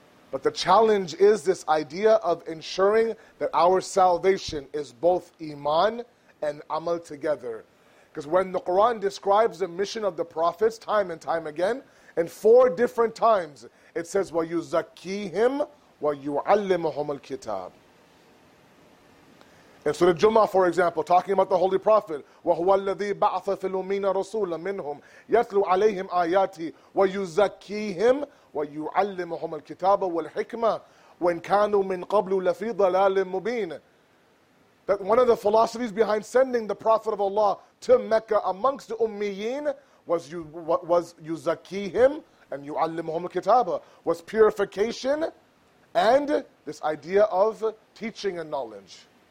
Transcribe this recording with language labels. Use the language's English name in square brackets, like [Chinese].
[English] But the challenge is this idea of ensuring that our salvation is both iman and amal together. Because when the Quran describes the mission of the prophets time and time again, in four different times, it says, [Arabic] وَيُزَكِّيهِمْ وَيُعَلِّمُهُمُ الْكِتَابِ. [English] In Surah Jummah, for example, talking about the Holy Prophet, [Arabic] وَهُوَ الَّذِي بَعْثَ فِي الْأُمِّيِّينَ رَسُولًا مِّنْهُمْ يَتْلُو عَلَيْهِمْ آيَاتِي وَيُزَكِّيهِمْ وَيُعَلِّمُهُمُ الْكِتَابَ وَالْحِكْمَةِ وَإِنْ كَانُوا مِنْ قَبْلُ لَفِي ضَلَالٍ مُّبِينٍ. [English] That one of the philosophies behind sending the Prophet of Allah to Mecca amongst the Ummiyin was [Arabic] يُزَكِّيهِمْ [English] and [Arabic] يُعَلِّمُهُمُ الْكِتَابَ, [English] was purification and this idea of teaching and knowledge.